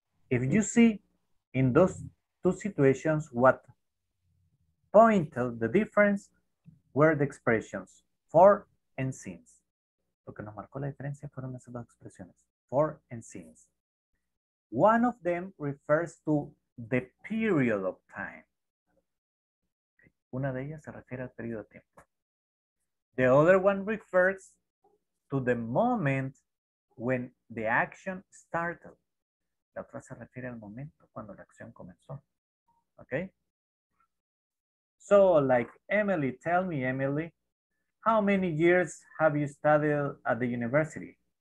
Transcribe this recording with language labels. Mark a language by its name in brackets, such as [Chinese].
[English] If you see in those two situations, what pointed the difference were the expressions for and since. [Spanish] Lo que nos marcó la diferencia fueron esas dos expresiones, for and since. [English] One of them refers to the period of time. [Spanish] Una de ellas se refiere al periodo de tiempo. [English] The other one refers to the moment when the action started. [Spanish] La otra se refiere al momento cuando la acción comenzó. [English] Okay? So, like Emily, tell me, Emily, how many years have you studied at the university?